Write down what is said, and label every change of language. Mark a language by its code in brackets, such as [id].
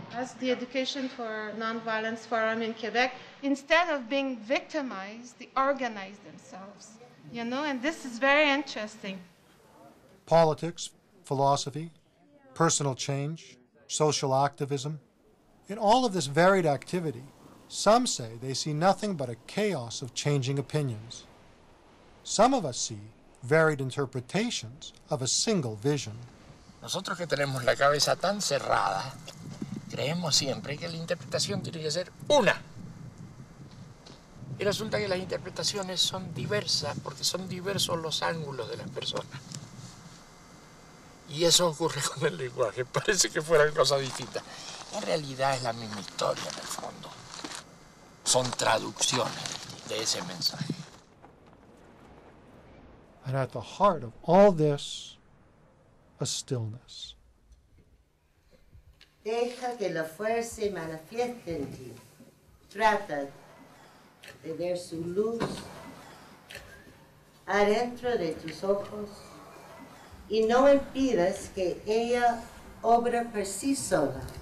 [en] As the education for nonviolence forum in Quebec, instead of being victimized, they organize themselves, you know, and this is very interesting. Politics, philosophy, personal change, social activism. In all of this varied activity, some say they see nothing but a chaos of changing opinions. Some of us see varied interpretations of a single vision. [es] Nosotros que tenemos la cabeza tan cerrada, creemos siempre que la interpretación tiene que ser una. Y resulta que las interpretaciones son diversas porque son diversos los ángulos de las personas. Y eso ocurre con el lenguaje. Parece que fuera cosa distinta. En realidad es la misma historia en el fondo. Son traducciones de ese mensaje. [en] And at the heart of all this, a stillness. [es] Deja que la fuerza se manifieste en ti. Trata de ver su luz adentro de tus ojos y no impidas que ella obra por sí sola.